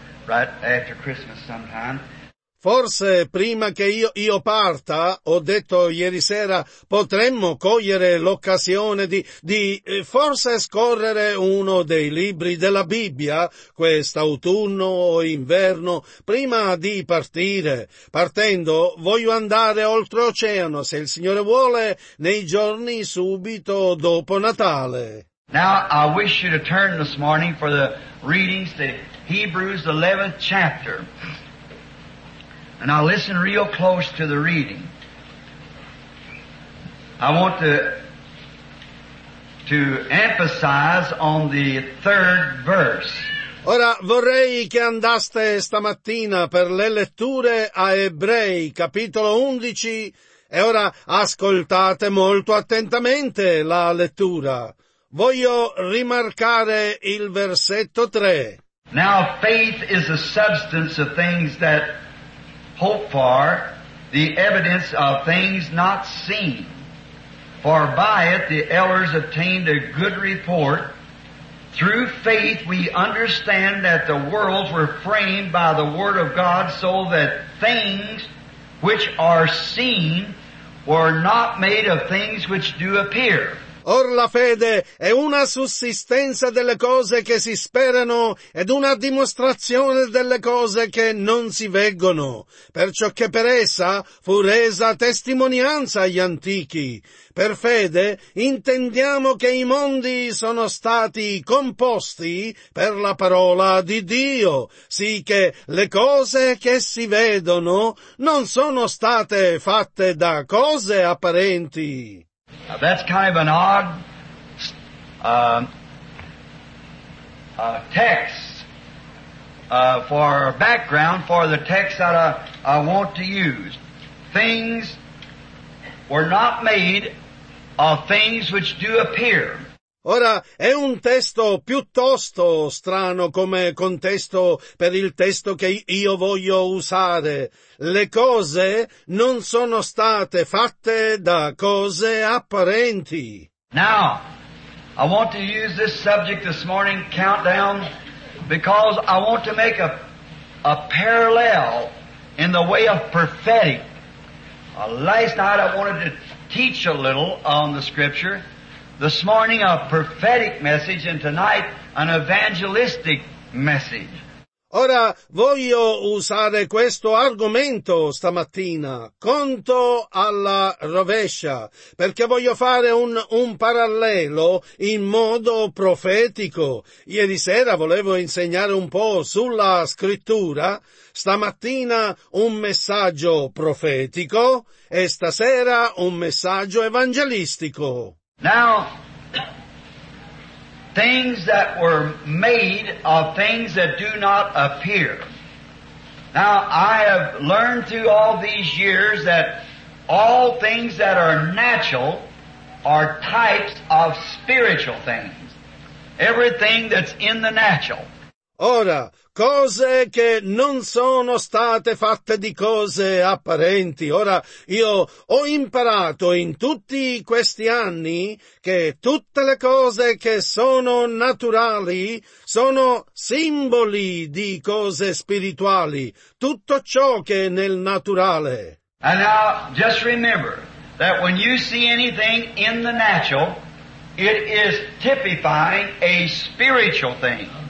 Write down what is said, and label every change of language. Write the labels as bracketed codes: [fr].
[en] right after Christmas sometime. [it] Forse prima che io parta, ho detto ieri sera, potremmo cogliere l'occasione di forse scorrere uno dei libri della Bibbia quest'autunno o inverno prima di partire. Partendo voglio andare oltreoceano, se il Signore vuole, nei giorni subito dopo Natale. [en] Now I wish you to turn this morning for the readings to Hebrews 11th chapter. And I'll listen real close to the reading. I want to emphasize on the third verse. [it] Ora vorrei che andaste stamattina per le letture a Ebrei, capitolo 11, e ora ascoltate molto attentamente la lettura. Voglio rimarcare il versetto 3. [en] Now faith is the substance of things that hope for, the evidence of things not seen. For by it the elders obtained a good report. Through faith we understand that the worlds were framed by the word of God, so that things which are seen were not made of things which do appear. [it] Or la fede è una sussistenza delle cose che si sperano ed una dimostrazione delle cose che non si vengono, perciò che per essa fu resa testimonianza agli antichi. Per fede intendiamo che i mondi sono stati composti per la parola di Dio, sì che le cose che si vedono non sono state fatte da cose apparenti. [en] Now that's kind of an odd text for background for the text that I want to use. Things were not made of things which do appear. [it] Ora, è un testo piuttosto strano come contesto per il testo che io voglio usare. Le cose non sono state fatte da cose apparenti. [en] Now, I want to use this subject this morning, countdown, because I want to make a parallel in the way of prophetic. Last night I wanted to teach a little on the scripture. This morning a prophetic message and tonight an evangelistic message. [it] Ora voglio usare questo argomento stamattina, conto alla rovescia, perché voglio fare un parallelo in modo profetico. Ieri sera volevo insegnare un po' sulla scrittura, stamattina un messaggio profetico e stasera un messaggio evangelistico. [en] Now, things that were made of things that do not appear. Now, I have learned through all these years that all things that are natural are types of spiritual things. Everything that's in the natural. [it] Ora, cose che non sono state fatte di cose apparenti. Ora, io ho imparato in tutti questi anni che tutte le cose che sono naturali sono simboli di cose spirituali. Tutto ciò che è nel naturale. [en] And now, just remember that when you see anything in the natural, it is typifying a spiritual thing.